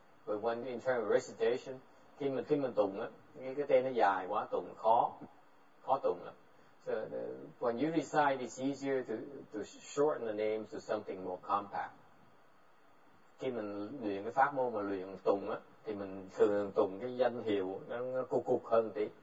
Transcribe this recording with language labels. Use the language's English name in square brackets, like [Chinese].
[English] But when in terms of recitation, [Vietnamese] khi mình tụng á, cái tên nó dài quá, tụng khó tụng lắm. [English] So when you recite, it's easier to shorten the name to something more compact. [Vietnamese] Khi mình luyện cái pháp môn mà luyện tụng á, thì mình thường tụng cái danh hiệu nó cục hơn tí.